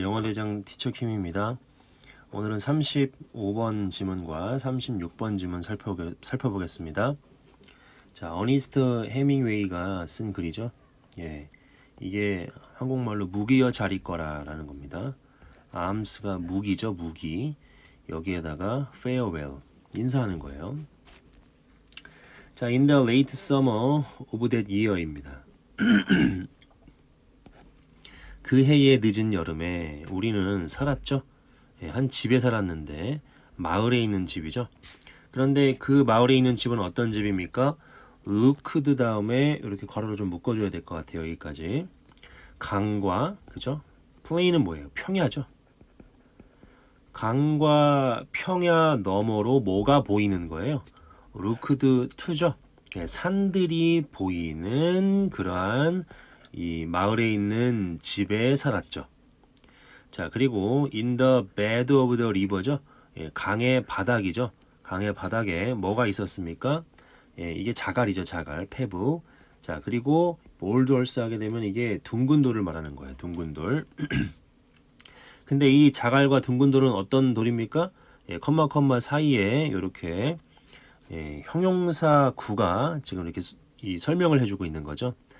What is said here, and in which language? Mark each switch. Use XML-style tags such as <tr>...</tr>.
<ko>영어대장 티처킴입니다. 오늘은 35번 지문과 36번 지문 살펴보겠습니다. 자, 어니스트 헤밍웨이가 쓴 글이죠. 예. 이게 한국말로 무기여 잘 있거라라는 겁니다. arms가 무기죠, 무기. 여기에다가 farewell, 인사하는 거예요.</ko> <en>자, in the late summer of that year입니다.</en> <ko>그 해의 늦은 여름에 우리는 살았죠. 한 집에 살았는데, 마을에 있는 집이죠. 그런데 그 마을에 있는 집은 어떤 집입니까? 우크드 다음에 이렇게 괄호로 좀 묶어줘야 될것 같아요. 여기까지. 강과, 그죠? 플레인은 뭐예요? 평야죠. 강과 평야 너머로 뭐가 보이는 거예요? 우크드 2죠. 산들이 보이는 그러한 이 마을에 있는 집에 살았죠.</ko> <en>자, 그리고 in the bed of the river죠.</en> <ko>예, 강의 바닥이죠. 강의 바닥에 뭐가 있었습니까? 예, 이게 자갈이죠, 자갈, 페브. 자, 그리고 볼돌스 하게 되면 이게 둥근 돌을 말하는 거예요, 둥근 돌. 근데 이 자갈과 둥근 돌은 어떤 돌입니까? 예, 컴마 컴마 사이에 이렇게 예, 형용사 구가 지금 이렇게 이 설명을 해주고 있는 거죠.</ko>